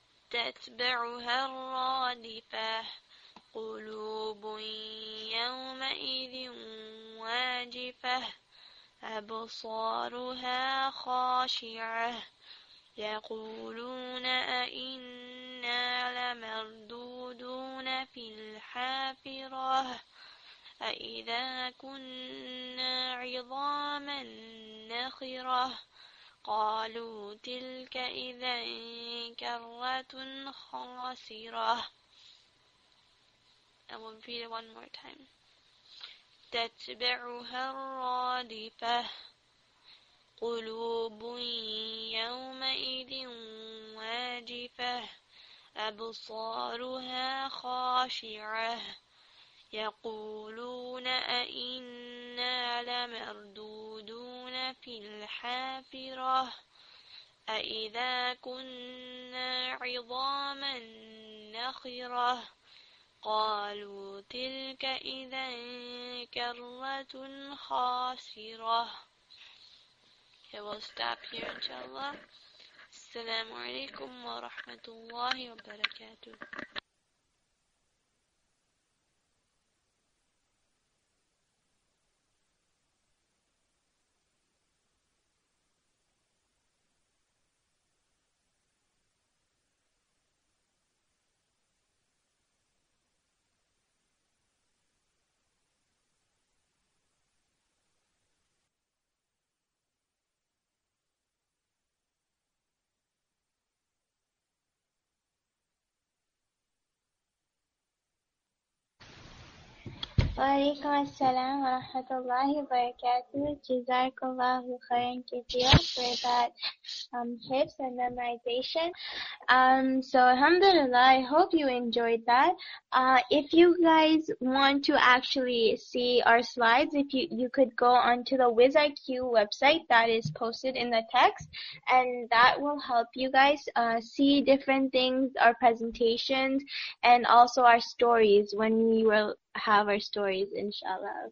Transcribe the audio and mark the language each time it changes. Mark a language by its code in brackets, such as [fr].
[ar] تَتْبَعُهَا الرَّادِفَةُ قُلُوبٌ يَوْمَئِذٍ وَاجِفَةٌ أَبْصَارُهَا خَاشِعَةٌ يقولون أئنا لمردودون في الحافرة أإذا كنا عظاما نخرة قالوا تلك إذا كرة خاسرة. [en] I will repeat it one more time. [ar] تتبعها الرادفة قلوب يومئذ واجفة أبصارها خاشعة يقولون أئنا لمردودون في الحافرة أإذا كنا عظاما نخرة قالوا تلك إذا كرة خاسرة. [en] Okay, we'll stop here, inshallah. [ar] Assalamu alaikum wa rahmatullahi wa barakatuh. وعليكم السلام ورحمة الله وبركاته. جزاك الله خيرا كثيرا [en] for that hips and memorization. So alhamdulillah, I hope you enjoyed that. If you guys want to actually see our slides, if you could go onto the WizIQ website that is posted in the text, and that will help you guys see different things, our presentations, and also our stories when we will have our stories, inshallah.